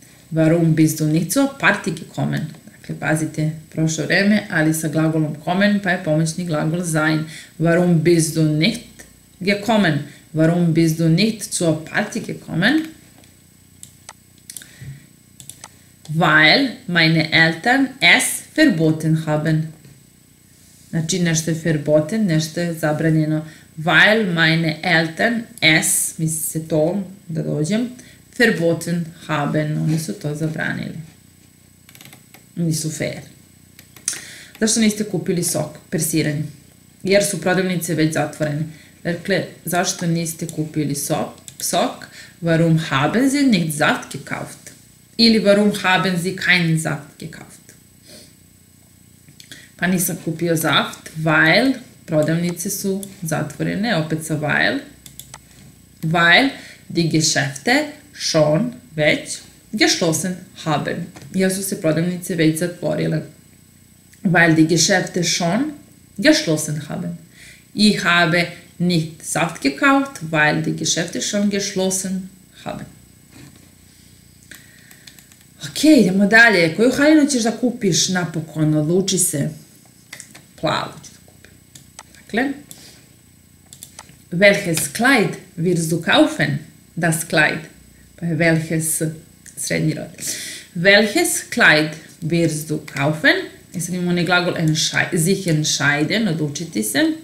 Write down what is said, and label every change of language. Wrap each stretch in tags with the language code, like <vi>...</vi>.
<de>Warum bist du nicht zur Party gekommen?</de> <sr>Dakle, pazite, prošlo vreme, ali sa glagolom kommen, pa je pomoćni glagol sein.</sr> <de>Warum bist du nicht gekommen? Warum bist du nicht zur Party gekommen? Weil meine Eltern es verboten haben.</de> <sr>Znači, nešto je verboten, nešto je zabranjeno.</sr> <de>Weil meine Eltern es,</de> <sr>misli se to, da dođem,</sr> <de>verboten haben,</de> <sr>oni su to zabranili. Nisu fair. Zašto niste kupili sok, persiranje? Jer su prodavnice već zatvorene. Dakle, zašto niste kupili sok?</sr> <de>Warum haben Sie nicht Saft gekauft? Ili warum haben Sie keinen Saft gekauft?</de> <sr>Pa nisam kupio Saft, weil prodavnice su zatvorene, opet sa weil.</sr> <de>Weil die Geschäfte schon već geschlossen haben.</de> <sr>Jer su se prodavnice već zatvorile.</sr> <de>Weil die Geschäfte schon geschlossen haben. Ich habe nicht Saft gekauft, weil die Geschäfte schon geschlossen haben.</de> <sr>Ok, idemo dalje. Koju haljinu ćeš da kupiš napokon? Odluči se. Plavu ću da kupim.</sr> <de>Dakle, welches Kleid wirst du kaufen? Das Kleid. Welches,</de> <sr>srednji rod.</sr> <de>Welches Kleid wirst du kaufen?</de> <sr>I sad imamo onaj glagol sich entscheiden, odlučiti se.</sr>